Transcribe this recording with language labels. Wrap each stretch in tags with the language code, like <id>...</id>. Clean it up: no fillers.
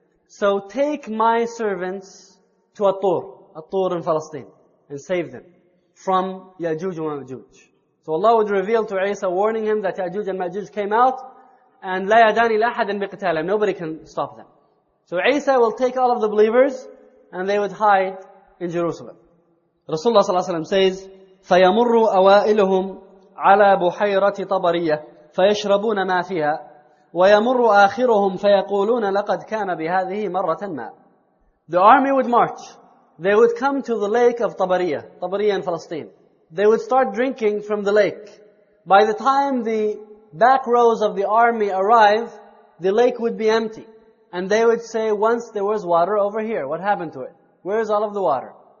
<en>So take my servants to At-Tur in Palestine and save them from Ya'juj and Ma'juj. So Allah would reveal to Isa, warning him that Ya'juj and Ma'juj came out and</en> <ar>لَا يَدَانِي لَأَحَدٍ بِقِتَالِهِمْ</ar> <en>Nobody can stop them. So Isa will take all of the believers and they would hide in Jerusalem. Rasulullah sallallahu alayhi wa sallam says,</en> <ar>فَيَمُرُّ أَوَائِلُهُمْ عَلَى بُحَيْرَةِ طَبَرِيَّةٍ فَيَشْرَبُونَ مَا فِيهَا وَيَمُرُّ آخِرُهُمْ فَيَقُولُونَ لَقَدْ كَانَ بِهَذِهِ مَرَّةً مَا</ar> <en>The army would march. They would come to the lake of Tabariya, Tabariya in Palestine. They would start drinking from the lake. By the time the back rows of the army arrive, the lake would be empty. And they would say, once there was water over here, what happened to it? Where is all of the water?</en>